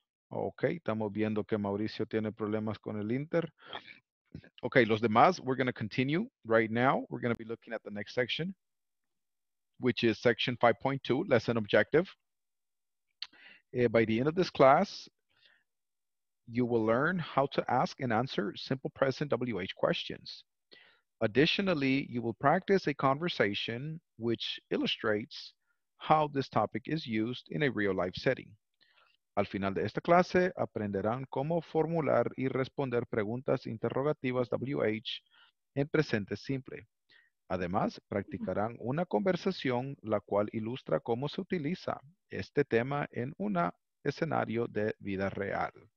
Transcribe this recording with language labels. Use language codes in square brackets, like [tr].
[es] Okay, estamos viendo que Mauricio tiene problemas con el Inter. [en] Okay, [es] los demás, [en] we're going to continue right now. We're going to be looking at the next section, which is section 5.2, lesson objective. By the end of this class, you will learn how to ask and answer simple present WH questions. Additionally, you will practice a conversation which illustrates how this topic is used in a real life setting. [es] Al final de esta clase, aprenderán cómo formular y responder preguntas interrogativas WH en presente simple. Además, practicarán una conversación la cual ilustra cómo se utiliza este tema en un escenario de vida real.